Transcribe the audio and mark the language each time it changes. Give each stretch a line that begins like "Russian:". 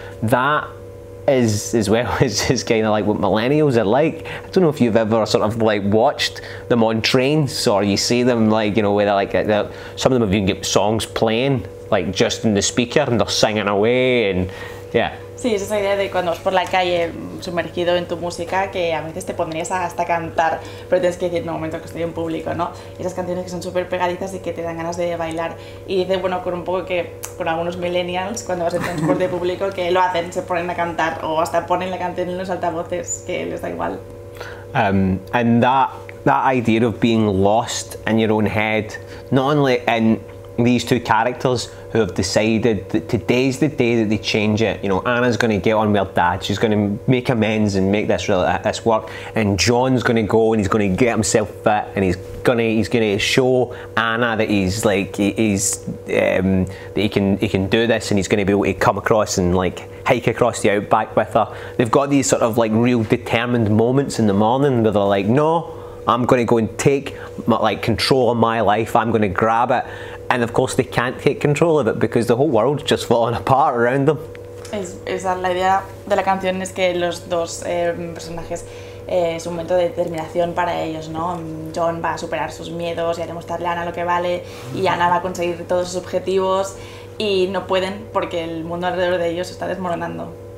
English: That is, as well, is just kind of like what millennials are like. I don't know if you've ever sort of like watched them on trains, or you see them like, you know, where they're like, some of them have even got songs playing, like just in the speaker, and they're singing away, and yeah.
Spanish: Sí, es esa idea de cuando vas por la calle sumergido en tu música, que a veces te pondrías hasta cantar, pero tienes que decir, no, un momento, que estoy en público, ¿no? Esas canciones que son súper pegadizas y que te dan ganas de bailar. Y dice, bueno, con un poco que con algunos millennials, cuando vas en transporte público, que lo hacen, se ponen a cantar, o hasta ponen la canción en los altavoces, que les da igual.
English: And that idea of being lost in your own head, not only in these two characters who have decided that today's the day that they change it. You know, Anna's going to get on with her dad. She's going to make amends and make this work. And John's going to go and he's going to get himself fit and he's going to show Anna that he can do this, and he's going to be able to come across and like hike across the outback with her. They've got these sort of like real determined moments in the morning where they're like, no, I'm going to go and take like control of my life. I'm going to grab it. And of course they can't take control of it because the whole world's just falling apart around them.
Spanish: Esa es la idea de la canción, es que los dos personajes es un momento de determinación para ellos, ¿no? John va a superar sus miedos y a demostrarle a Ana lo que vale, y Ana va a conseguir todos sus objetivos, y no pueden porque el mundo alrededor de ellos se está desmoronando.